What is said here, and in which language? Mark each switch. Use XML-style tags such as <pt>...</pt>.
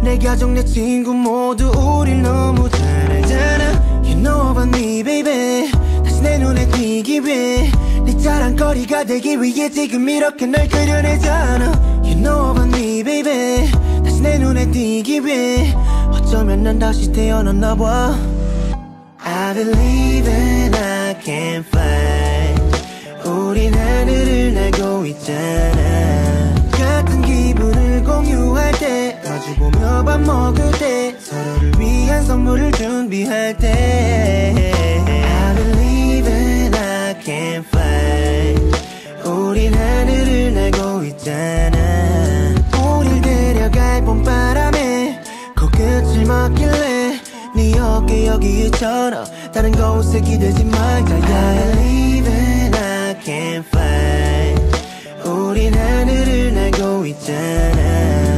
<ko>내 가족 내 친구 모두 우릴 너무 잘 알잖아.</ko> <en>You know about me baby.</en> <ko>다시 내 눈에 띄기 위해 네 자랑거리가 되기 위해 지금 이렇게 널 그려내잖아.</ko> <en>You know about me baby.</en> <ko>다시 내 눈에 띄기 위해 어쩌면 난 다시 태어났나 봐.</ko> <en>I believe and I can't fight.</en> <ko>우린 하늘을 날고 있잖아. 같은 기분을 공유할 때, 마주 보며 밥 먹을 때, 서로를 위한 선물을 준비할 때.</ko> <en>I believe and I can't fight.</en> <ko>우린 하늘을 날고 있잖아. 우릴 데려갈 봄바람에 끝을 막길래 네 어깨 여기 있잖아. 다른 곳에 기대지 말자. Yeah.</ko> <en>I believe and I can't fight.</en> <ko>우린 하늘을 날고 있잖아.</ko>